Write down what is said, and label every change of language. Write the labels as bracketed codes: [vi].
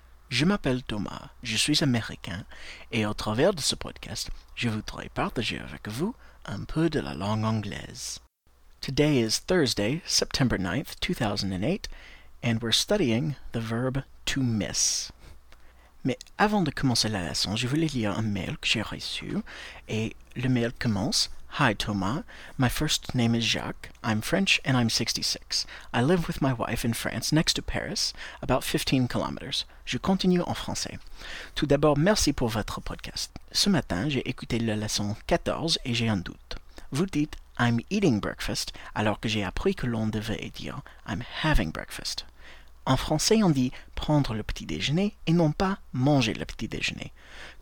[fr] Je m'appelle Thomas, je suis américain et au travers de ce podcast, je voudrais partager avec vous un peu de la langue anglaise. [en] Today is Thursday, September 9th, 2008, and we're studying the verb to miss. [fr] Mais avant de commencer la leçon, je voulais lire un mail que j'ai reçu. Et le mail commence, [en] Hi Thomas, my first name is Jacques, I'm French and I'm 66. I live with my wife in France, next to Paris, about 15 kilometers. [fr] Je continue en français. Tout d'abord, merci pour votre podcast. Ce matin, j'ai écouté la leçon 14 et j'ai un doute. Vous dites, [en] I'm eating breakfast, [fr] alors que j'ai appris que l'on devait dire, [en] I'm having breakfast. [fr] En français, on dit « prendre le petit-déjeuner » et non pas « manger le petit-déjeuner ».